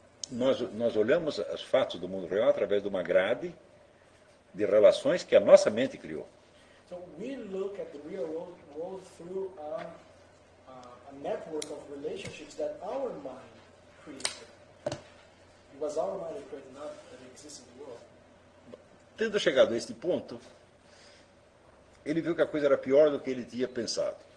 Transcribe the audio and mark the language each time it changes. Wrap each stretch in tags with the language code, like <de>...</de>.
<pt>nós olhamos os fatos do mundo real através de uma grade de relações que a nossa mente criou.</pt> <en>So we look at the real world through a network of relationships that our mind created. It was our mind that created, not that exists in the world.</en> <pt>Tendo chegado a este ponto, ele viu que a coisa era pior do que ele tinha pensado.</pt>